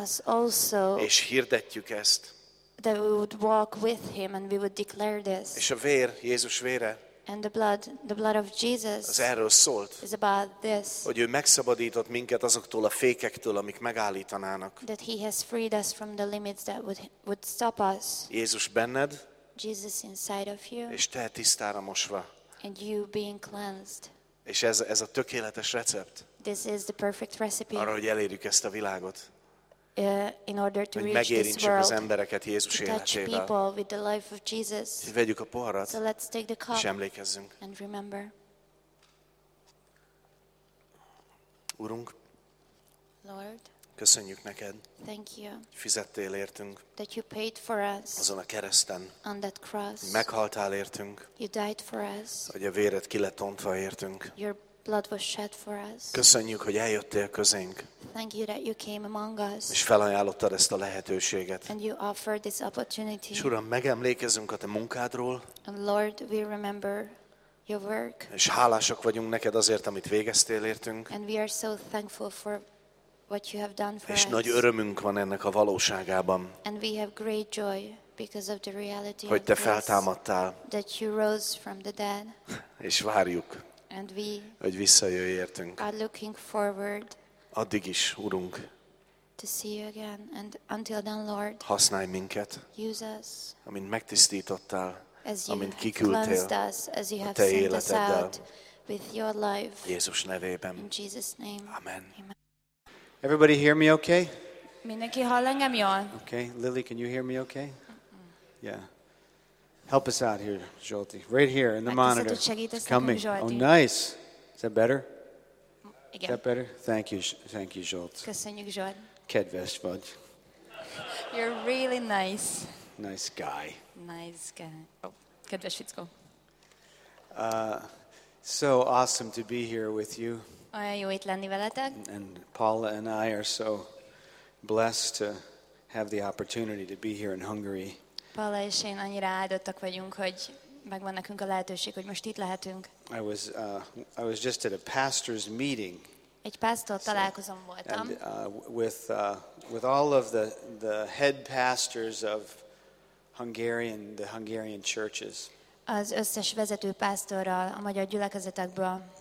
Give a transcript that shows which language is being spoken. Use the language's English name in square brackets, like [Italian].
[English] Us also. [Hungarian] És hirdetjük ezt. [English] That we would walk with him and we would declare this. [Hungarian] És a vér, Jézus vére. [English] And the blood of Jesus. [Hungarian] Az erről szólt. [English] Is about this. [Hungarian] Hogy ő megszabadított minket azoktól a fékektől, amik megállítanának. [English] That he has freed us from the limits that would stop us. [Hungarian] Jézus benned. [English] Jesus inside of you. [Hungarian] És te tisztára mosva. [English] And you being cleansed. [Hungarian] És ez a tökéletes recept. [English] This is the perfect recipe. [Hungarian] Arra, hogy elérjük ezt a világot. [English] In order to [Hungarian] hogy [English] reach this world, [Hungarian] az embereket Jézus [English] to touch [Hungarian] életével. [English] People with the life of Jesus. [Hungarian] Vegyük a poharat, [English] so let's take the cup [Hungarian] és emlékezzünk. [English] And remember. [Hungarian] Urunk, [English] Lord, [Hungarian] köszönjük neked, [English] thank you, [Hungarian] fizettél értünk [English] that you paid for us [Hungarian] azon a kereszten, [English] on that cross, [Hungarian] meghaltál értünk, [English] you died for us, [Hungarian] hogy a véred ki lett ontva értünk. [English] Your blood was shed for us. [Hungarian] Köszönjük, hogy eljöttél közénk. [English] Thank you that you came among us. [Hungarian] És felajánlottad ezt a lehetőséget. [English] And you offered this opportunity. [Hungarian] És Uram, megemlékezünk a te munkádról. [English] And Lord, we remember your work. [Hungarian] És hálásak vagyunk neked azért, amit végeztél értünk. [English] And we are so thankful for what you have done for us. [Hungarian] És nagy örömünk van ennek a valóságában. [English] And we have great joy. Because of the reality [Hungarian] hogy te feltámadtál. [English] That you rose from the dead. [Hungarian] És várjuk. [English] And we [Hungarian] hogy visszajöjj értünk. [English] Are looking forward. [Hungarian] Addig is, Urunk. [English] To see you again and until then, Lord. [Hungarian] Használj minket. [English] Use us. [Hungarian] Amint megtisztítottál. [English] As you [Hungarian] amint kiküldtél. [English] Us, as you [Hungarian] a te életeddel. [English] With your life. [Hungarian] Jézus nevében. [English] In Jesus name. Amen. Amen. Everybody hear me okay? [Hungarian] Mindenki hall engem jól. [English] Okay, Lily, can you hear me okay? Yeah. Help us out here, Zsolti. Right here in the monitor. It's coming. Oh, nice. Is that better? [Hungarian] Igen. [English] Is that better? Thank you, Zsolt. [Hungarian] Köszönjük, Zsolt. Kedves vagy. [English] You're really nice. Nice guy. Nice guy. Oh, [Hungarian] kedves fickó. [English] So awesome to be here with you. [Hungarian] Olyan jó itt lenni veletek. [English] And Paula and I are so blessed to have the opportunity to be here in Hungary. [Hungarian] Paula és én annyira áldottak vagyunk, hogy megvan nekünk a lehetőség, hogy most itt lehetünk. [English] I was just at a pastor's meeting. [Hungarian] Egy pásztor találkozom voltam. [English] And, with all of the head pastors of the Hungarian churches. [Hungarian] Az összes vezető pásztorral a magyar gyülekezetekből.